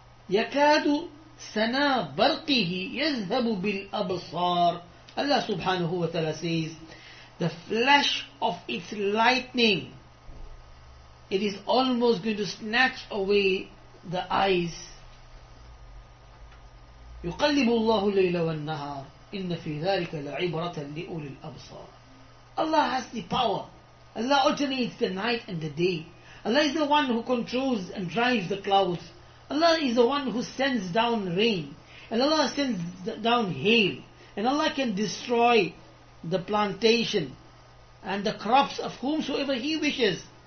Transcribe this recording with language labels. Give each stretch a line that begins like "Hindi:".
Arabic: يَكَادُ سَنَا بَرْقِهِ يَذْهَبُ بِالْأَبْصَارِ,
English: Allah subhanahu wa ta'ala says, the flash of its lightning, it is almost going to snatch away the eyes.
Arabic: يُقَلِّبُ اللَّهُ اللَّيْلَ وَالنَّهَارِ إِنَّ فِي ذَلِكَ لَعِبْرَةً لِأُولِي الْأَبْصَارِ,
English: Allah has the power. Allah alternates the night and the day. Allah is the one who controls and drives the clouds. Allah is the one who sends down rain. And Allah sends down hail. And Allah can destroy the plantation and the crops of whomsoever He wishes.